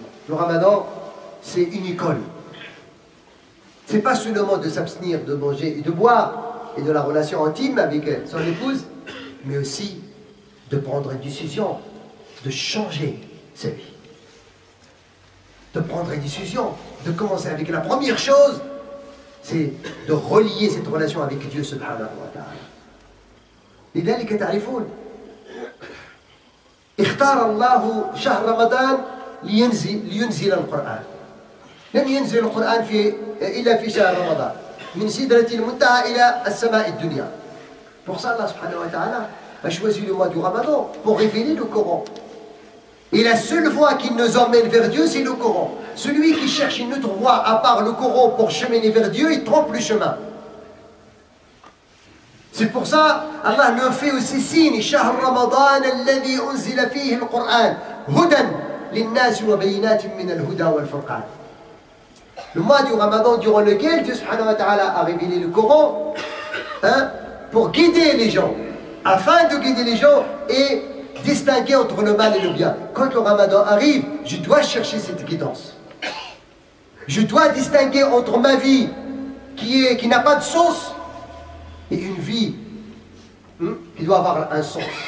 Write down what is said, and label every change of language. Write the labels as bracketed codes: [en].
[fr] Le ramadan, c'est une école. C'est pas seulement de s'abstenir, de manger et de boire, et de la relation intime avec son épouse, mais aussi de prendre une décision, de changer sa vie. De prendre une décision, de commencer avec la première chose, c'est de relier cette relation avec Dieu subhanahu wa ta'ala. Et d'ailleurs, qu'est-ce que tu as? [ar] اختار الله شهر رمضان لينزل القرآن. لم ينزل القرآن إلا في شهر رمضان من سدرة المنتهى إلى السماء الدنيا. [fr] pour ça Allah [ar] سبحانه وتعالى [fr] a choisi le mois du Ramadan pour révéler le Coran. Et la seule voie qui nous emmène vers Dieu, c'est le Coran. Celui qui cherche une autre voie à part le Coran pour cheminer vers Dieu, il trompe le chemin. C'est pour ça Allah nous fait aussi signe [ar] شهر رمضان الذي أنزل فيه القرآن هدى للناس وبينات من الهدى والفرقان. [fr] Le mois du Ramadan durant lequel Dieu subhanahu wa ta'ala a révélé le Coran pour guider les gens, afin de guider les gens et distinguer entre le mal et le bien. Quand le Ramadan arrive, je dois chercher cette guidance. Je dois distinguer entre ma vie qui n'a pas de sens et une vie qui doit avoir un sens.